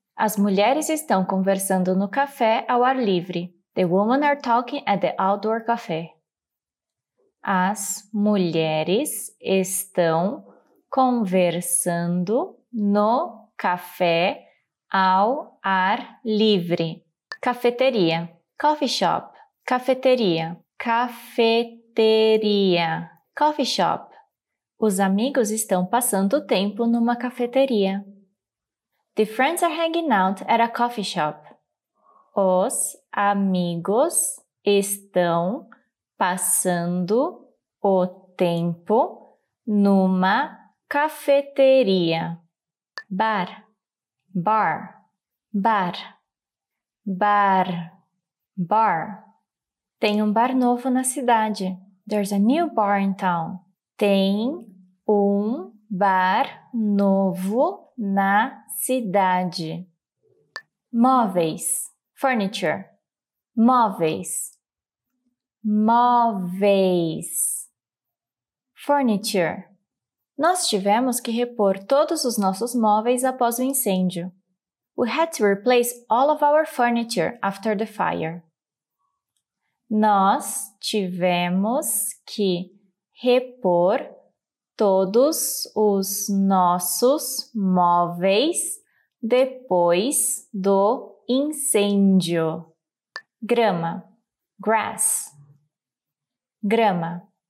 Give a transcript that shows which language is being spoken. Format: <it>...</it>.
<pt>As mulheres estão conversando no café ao ar livre.</pt> <en>The women are talking at the outdoor café.</en> <pt>As mulheres estão conversando no café ao ar livre. Cafeteria.</pt> <en>Coffee shop.</en> <pt>Cafeteria. Cafeteria.</pt> <en>Coffee shop.</en> <pt>Os amigos estão passando tempo numa cafeteria.</pt> <en>The friends are hanging out at a coffee shop.</en> <pt>Os amigos estão passando o tempo numa cafeteria. Bar. Bar. Bar. Bar. Bar. Tem bar novo na cidade.</pt> <en>There's a new bar in town.</en> <pt>Tem bar novo na cidade. Móveis.</pt> <en>Furniture.</en> <pt>Móveis. Móveis.</pt> <en>Furniture.</en> <pt>Nós tivemos que repor todos os nossos móveis após o incêndio.</pt> <en>We had to replace all of our furniture after the fire.</en> <pt>Nós tivemos que repor todos os nossos móveis depois do incêndio. Grama.</pt> <en>Grass.</en> <pt>Grama.</pt>